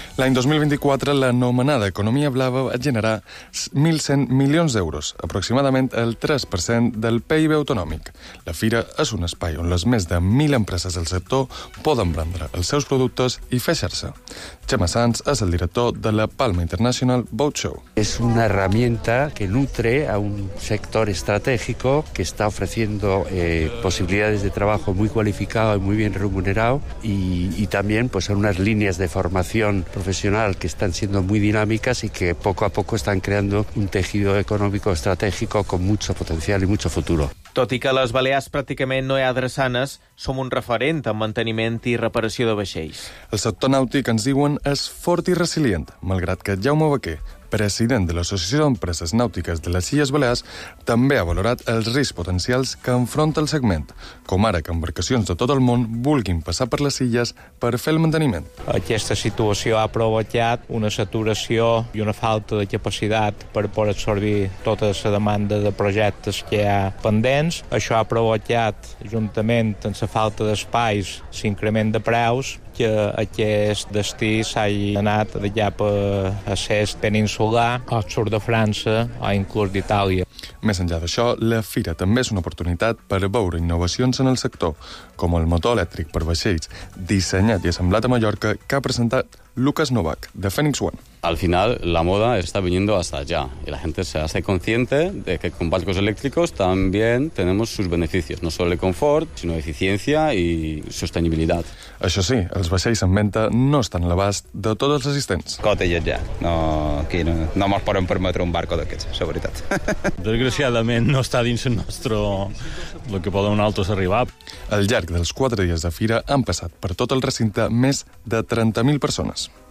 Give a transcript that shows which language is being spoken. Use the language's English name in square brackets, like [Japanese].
[Catalan] L'any 2024, l'anomenada economia blava va generar 1.100 milions d'euros, aproximadament el 3% del PIB autonòmic. La fira és un espai on les més de 1.000 empreses del sector poden vendre els seus productes i fer xarxa. Xema Sanz és el director de la Palma International Boat Show. [Spanish] Es una herramienta que nutre a un sector estratégico que está ofreciendo posibilidades de trabajo muy cualificado y muy bien remunerado y también pues son unas líneas de formación profesional que están siendo muy dinámicas y que poco a poco están creando un tejido económico estratégico con mucho potencial y mucho futuro. [Catalan] Tot i que a les Balears pràcticament no hi ha drassanes, som un referent en manteniment i reparació de vaixells. El sector nàutic, ens diuen, és fort i resilient, malgrat que Jaume Baquer, president de l'Associació d'Empreses Nàutiques de les Illes Balears, també ha valorat els riscs potencials que enfronta el segment, com ara que embarcacions de tot el món vulguin passar per les illes per fer el manteniment. Aquesta situació ha provocat una saturació i una falta de capacitat per poder absorbir tota la demanda de projectes que hi ha pendents. Això ha provocat, juntament amb la falta d'espais, l'increment de preus, que aquest destí s'hagi anat allà a l'est peninsular, al sud de França o inclús d'Itàlia. Més enllà d'això, la fira també és una oportunitat per veure innovacions en el sector, com el motor elèctric per vaixells, dissenyat i assemblat a Mallorca, que ha presentat Lucas Novak, de Phoenix One. [Spanish] Al final, la moda está viniendo hasta allá y la gente se hace consciente de que con barcos eléctricos también tenemos sus beneficios, no solo el confort, sino eficiencia y sostenibilidad. [Catalan] Això sí, els vaixells en venta no estan a l'abast de tots els assistents. Cotellet ja. No, aquí no ens podem permetre un barco d'aquests, la veritat. Desgraciadament no està dins el nostre... el que poden un altre arribar. Al llarg dels 4 dies de fira han passat per tot el recinte més de 30.000 persones.